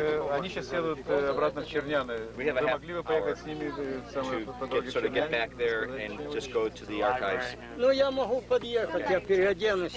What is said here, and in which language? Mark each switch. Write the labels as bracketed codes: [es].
[ru] Они сейчас едут обратно в Черняны. [en] We have a half hour to get back there and just go to the archives. [ru] Ну, я могу подъехать, я переоденусь.